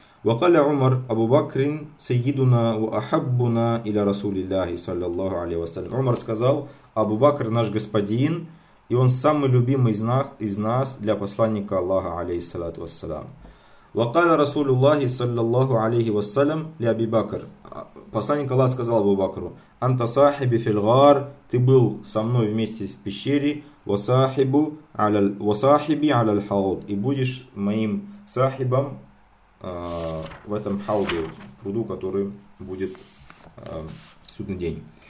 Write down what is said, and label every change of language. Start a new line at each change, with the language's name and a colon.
Arabic: وقال عمر أبو بكر سيدنا وأحبنا إلى رسول الله صلى الله عليه وسلم.
Russian: Умар сказал, Абу Бакр наш господин, и он самый любимый из нас для посланника Аллаха, алейхиссалату вассалям.
Arabic: وقال رسول الله صلى الله عليه وسلم لأبي بكر.
Russian: Посланник Аллаха сказал Абу Бакру,
Arabic: Анта сахиби филгар,
Russian: ты был со мной вместе в пещере,
Arabic: васахиби алял хауд,
Russian: и будешь моим сахибом в этом хауде, в пруду, который будет судный день.